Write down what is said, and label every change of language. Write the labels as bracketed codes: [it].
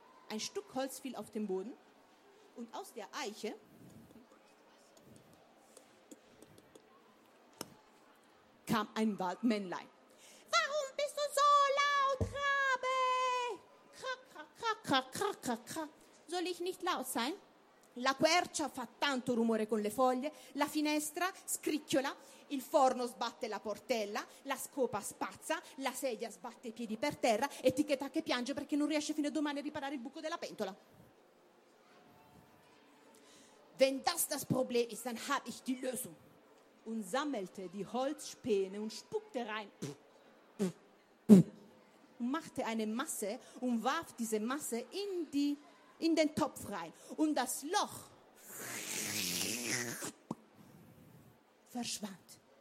[de] Ein Stück Holz fiel auf den Boden und aus der Eiche kam ein Waldmännlein. Warum bist du so laut, Rabe? Krak, krak, krak, krak, krak, krak. Soll ich nicht laut sein? [it] La quercia fa tanto rumore con le foglie, la finestra scricchiola, il forno sbatte la portella, la scopa spazza, la sedia sbatte i piedi per terra e Tic Tac che piange perché non riesce fino a domani a riparare il buco della pentola. [de] Wenn das das Problem ist, dann hab ich die Lösung. Und sammelte die Holzspäne und spuckte rein. Und machte eine Masse und warf diese Masse in den Topf rein. Und das Loch verschwand.